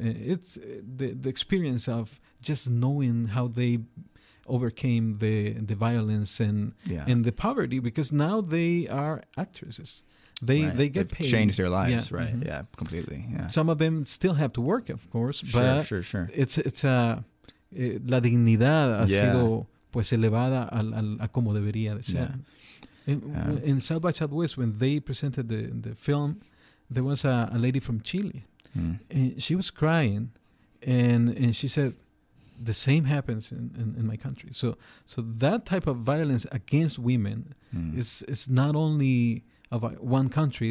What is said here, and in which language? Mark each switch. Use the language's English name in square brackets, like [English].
[English] It's the experience of just knowing how they overcame the violence and the poverty, because now they are actresses. They've changed their lives, completely. Yeah. Some of them still have to work, of course, but it's a... [Spanish] La dignidad ha sido pues elevada a como debería de ser. [English] In South by Southwest, when they presented the film, there was a lady from Chile. And she was crying, and she said, the same happens in my country. So that type of violence against women is not only of one country.